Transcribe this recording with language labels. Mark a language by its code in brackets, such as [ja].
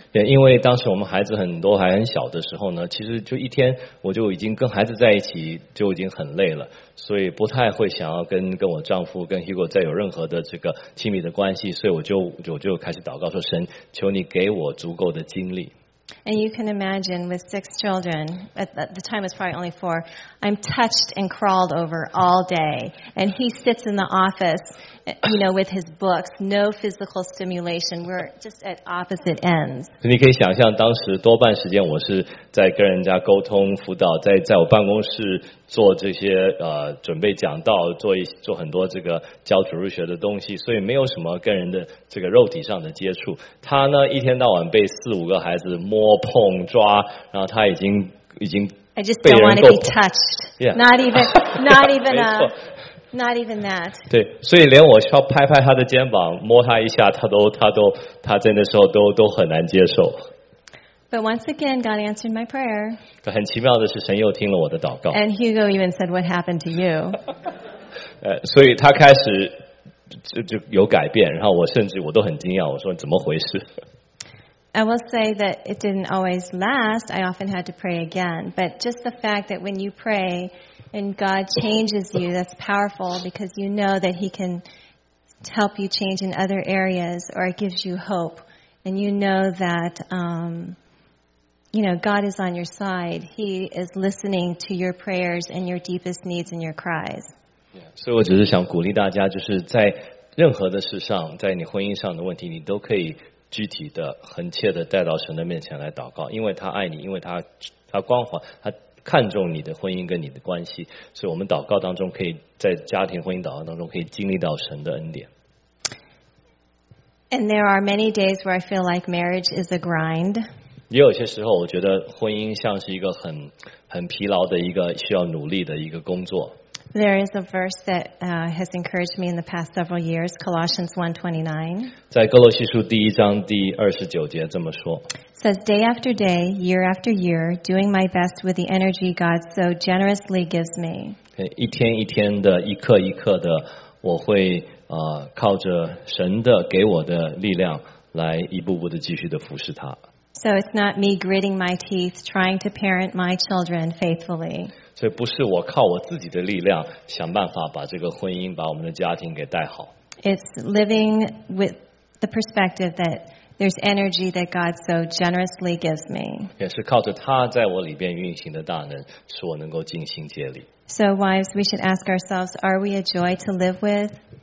[zh] 也因为当时我们孩子很多还很小的时候呢，其实就一天我就已经跟孩子在一起就已经很累了，所以不太会想要跟我丈夫跟 Hugo 再有任何的这个亲密的关系，所以我就开始祷告说，神，求你给我足够的精力。 [en] And you can imagine with six children, at the time it was probably only four, I'm touched and crawled over all day. And he sits in the office, you know, with his books, no physical stimulation. We're just at opposite ends. [zh] 你可以想象当时多半时间我是在跟人家沟通辅导，在我办公室做这些准备讲道，做很多这个教主日学的东西，所以没有什么跟人的这个肉体上的接触。他呢一天到晚被四五个孩子摸碰抓，然后他已经被人够碰。 [en] I just don't want to be touched. Not even that. [zh] 对，所以连我稍拍拍他的肩膀，摸他一下，他在那时候都很难接受。 [en] But once again, God answered my prayer. [zh] 很奇妙的是，神又听了我的祷告。 [en] And Hugo even said, "What happened to you?" [zh] 所以他开始就有改变，然后我甚至都很惊讶，我说怎么回事？ [en] I will say that it didn't always last. I often had to pray again. But just the fact that when you pray and God changes you, that's powerful because you know that He can help you change in other areas or it gives you hope. And you know that, you know, God is on your side. He is listening to your prayers and your deepest needs and your cries. [zh] 所以我只是想鼓励大家，就是在任何的事上，在你婚姻上的问题，你都可以具体的、恒切的带到神的面前来祷告，因为他爱你，因为他关怀，他看重你的婚姻跟你的关系，所以我们祷告当中可以在家庭婚姻祷告当中可以经历到神的恩典。 [en] And there are many days where I feel like marriage is a grind. [zh] 也有些时候，我觉得婚姻像是一个很疲劳的一个需要努力的一个工作。 [en] There is a verse that has encouraged me in the past several years, Colossians 1:29. [zh] 在哥罗西书第一章第二十九节这么说。 [en] Says day after day, year after year, doing my best with the energy God so generously gives me. [zh] 一天一天的，一刻一刻的，我会靠着神的给我的力量来一步步的继续的服侍他。 [en] So it's not me gritting my teeth, trying to parent my children faithfully. [zh] 所以不是我靠我自己的力量想办法把这个婚姻、把我们的家庭给带好。 [en] It's living with the perspective that there's energy that God so generously gives me. [zh] 也是靠着他在我里边运行的大能，使我能够尽心竭力。 [en] So wives, we should ask ourselves, are we a joy to live with?